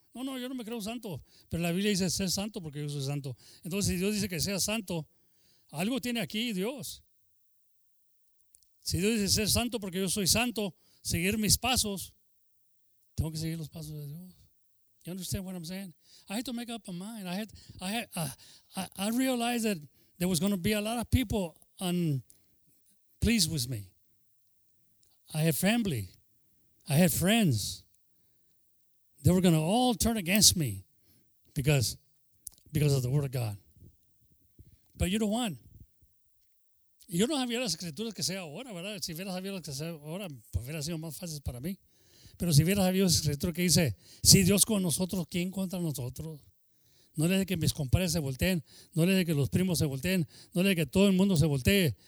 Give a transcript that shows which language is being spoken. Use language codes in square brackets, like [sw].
[es] No, yo no me creo santo, pero la Biblia dice ser santo porque yo soy santo. Entonces, si Dios dice que sea santo, algo tiene aquí Dios. Si Dios dice ser santo porque yo soy santo, seguir mis pasos, tengo que seguir los pasos de Dios. [en] You understand what I'm saying? I had to make up my mind. I realized that there was going to be a lot of people unpleased with me. I had family. I had friends. They were going to all turn against me because of the word of God. But you know what? [es] Yo no sabía las escrituras que sea ahora, ¿verdad? Si hubiera sabido las que sea ahora, pues hubiera sido más fácil para mí. Pero si hubiera sabido las escrituras que dice, si Dios con nosotros, ¿quién contra nosotros? No le de que mis compadres se volteen, no le de que los primos se volteen, no le de que todo el mundo se voltee.